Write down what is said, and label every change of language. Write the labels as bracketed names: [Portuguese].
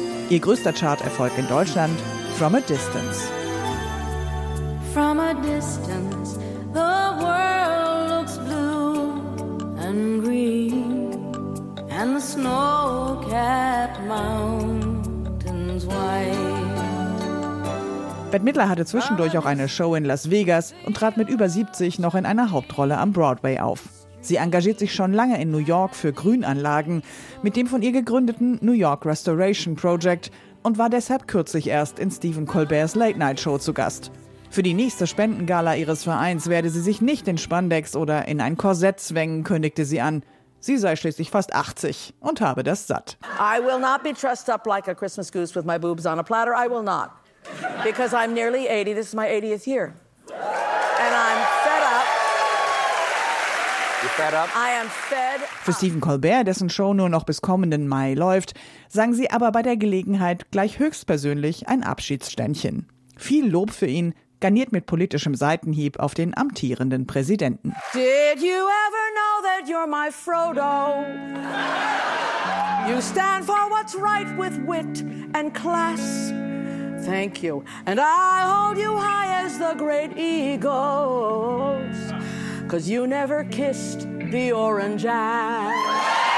[German] Ihr größter Charterfolg in Deutschland, From a Distance. [English] From a distance, the world looks blue and green. And the snow-capped mountains white. [German] Bette Midler hatte zwischendurch auch eine Show in Las Vegas und trat mit über 70 noch in einer Hauptrolle am Broadway auf. Sie engagiert sich schon lange in New York für Grünanlagen mit dem von ihr gegründeten New York Restoration Project und war deshalb kürzlich erst in Stephen Colberts Late Night Show zu Gast. Für die nächste Spendengala ihres Vereins werde sie sich nicht in Spandex oder in ein Korsett zwängen, kündigte sie an. Sie sei schließlich fast 80 und habe das satt. [English] I will not be dressed up like a Christmas goose with my boobs on a platter. I will not. Because I'm nearly 80. This is my 80th year. And I'm fed up. You fed up? I am fed up. [German] Für Stephen Colbert, dessen Show nur noch bis kommenden Mai läuft, sang sie aber bei der Gelegenheit gleich höchstpersönlich ein Abschiedsständchen. Viel Lob für ihn, garniert mit politischem Seitenhieb auf den amtierenden Präsidenten. [English] Did you ever know that you're my Frodo? You stand for what's right with wit and class. Thank you. And I hold you high as the great eagles. 'Cause you never kissed the orange ass.